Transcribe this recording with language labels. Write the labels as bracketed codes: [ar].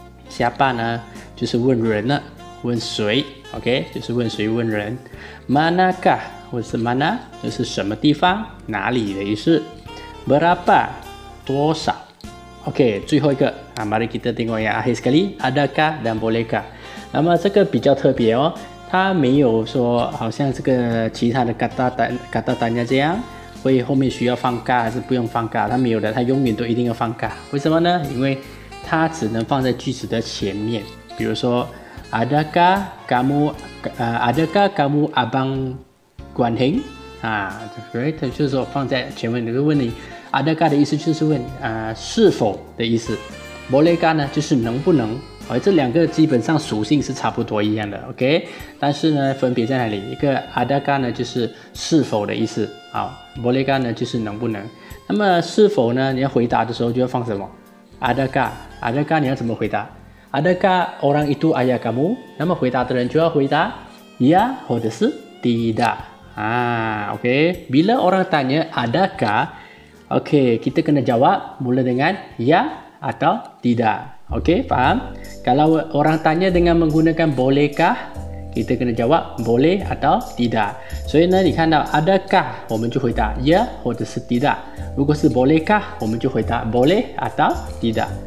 [zh] siapa 呢就是问人了，问谁， OK, 就是问谁，问人， manakah 或是 mana 就是什么地方，哪里的意思， berapa 多少， OK, 最后一个啊， [ms] mari kita tengok yang akhir sekali， [zh] adakah dan bolehkah。那么这个比较特别哦，它没有说好像这个其他的 kata tanya 这样会后面需要放kah还是不用放kah，它没有的，它永远都一定要放kah。为什么呢？因为它只能放在句子的前面。比如说 [ms] adakah kamu adakah kamu abang Guan Heng [zh] 啊，对，它就是说放在前面。就问你 adakah 的意思就是问是否的意思。 bolehkah 呢就是能不能，这两个基本上属性是差不多一样的， OK, 但是呢分别在哪里，一个 adakah 呢就是是否的意思，好， bolehkah 呢就是能不能，那么是否呢你要回答的时候就要放什么， adakah， adakah 你要怎么回答， [ms] adakah orang itu ayah kamu， [zh] 那么回答的人就要回答 ya 或者是 tidak， OK, [ms] bila orang tanya adakah， Okey, kita kena jawab mula dengan ya atau tidak. Okey, faham? Kalau orang tanya dengan menggunakan bolehkah, kita kena jawab boleh atau tidak. So, ini nanti kan adakah, [zh] 我们就回答 [ms] ya atau tidak. [zh] 如果是bolehkah, 我们就回答 [ms] boleh atau tidak.